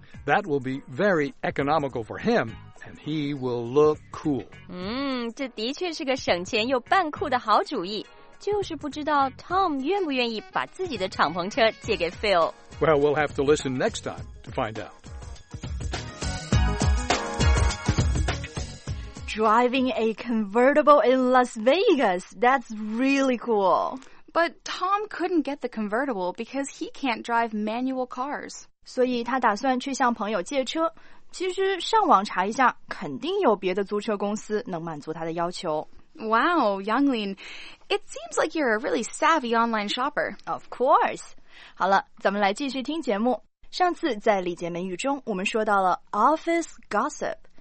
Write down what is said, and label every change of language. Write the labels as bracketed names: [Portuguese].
[English] That will be very economical for him, and he will look cool. [Chinese] 这的确是个省钱又办酷的好主意。就是不知道 Tom 愿不愿意把自己的敞篷车借给 Phil。 [English] Well, we'll have to listen next time to find out. Driving a convertible in Las Vegas, that's really cool. But Tom couldn't get the convertible because he can't drive manual cars. [Chinese] 所以他打算去向朋友借车。其实上网查一下，肯定有别的租车公司能满足他的要求。 [English] Wow, Yanglin, it seems like you're a really savvy online shopper. Of course. [Chinese] 好了，咱们来继续听节目。上次在李杰美语中，我们说到了 office gossip。